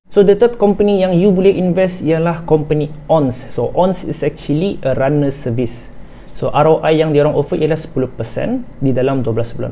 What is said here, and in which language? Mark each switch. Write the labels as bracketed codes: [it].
[en] So the third company yang you boleh invest ialah company ONS. So ONS is actually a runner service. [ms] So ROI yang diorang offer ialah 10% di dalam 12 bulan.